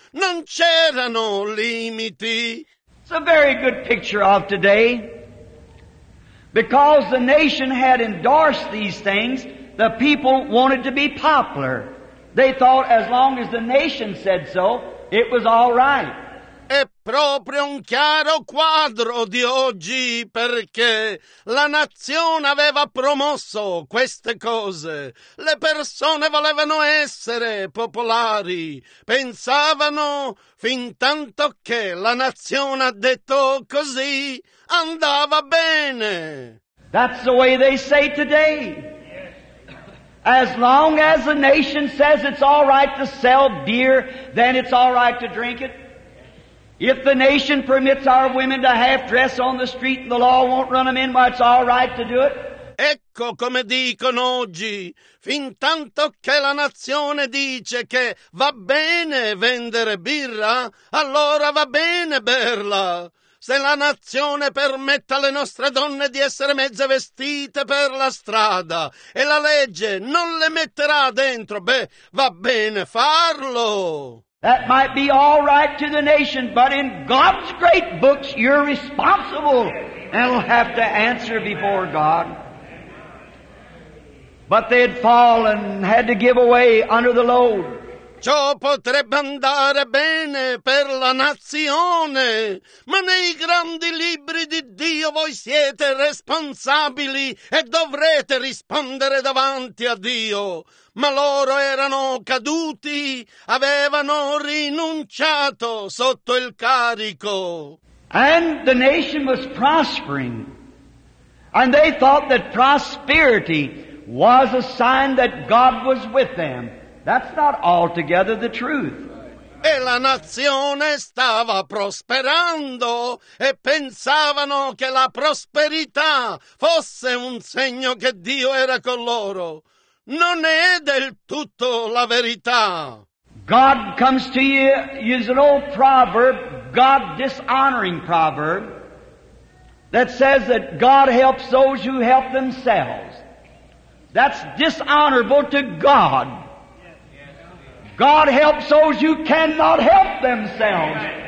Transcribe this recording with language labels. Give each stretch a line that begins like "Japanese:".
Italian: Non c'erano limiti.
English: It's a very good picture of today. Because the nation had endorsed these things, the people wanted to be popular. They thought as long as the nation said so, it was all right.
Italian: È proprio un chiaro quadro di oggi perché la nazione aveva promosso queste cose. Le persone volevano essere popolari. Pensavano, fin tanto che la nazione ha detto così, andava bene.
English: That's the way they say today. As long as the nation says it's all right to sell beer, then it's all right to drink it. If the nation permits our women to half dress on the street and the law won't run them in, why it's all right to do it?
Italian: Ecco come dicono oggi, fin tanto che la nazione dice che va bene vendere birra, allora va bene berla. Se la nazione permette alle nostre donne di essere mezze vestite per la strada e la legge non le metterà dentro, beh, va bene farlo.
English: That might be all right to the nation, but in God's great books, you're responsible and will have to answer before God. But they had fallen and had to give away under the load.
Italian: Ciò potrebbe andare bene per la nazione, ma nei grandi libri di Dio voi siete responsabili e dovrete rispondere davanti a Dio. Ma loro erano caduti, avevano rinunciato sotto il carico.
English: And the nation was prospering, and they thought that prosperity was a sign that God was with them. That's not altogether the truth.
Italian: E la nazione stava prosperando e pensavano che la prosperità fosse un segno che Dio era con loro. Non è del tutto la verità.
English: God comes to you, use an old proverb, God dishonoring proverb, that says that God helps those who help themselves. That's dishonorable to God. God helps those who cannot help themselves.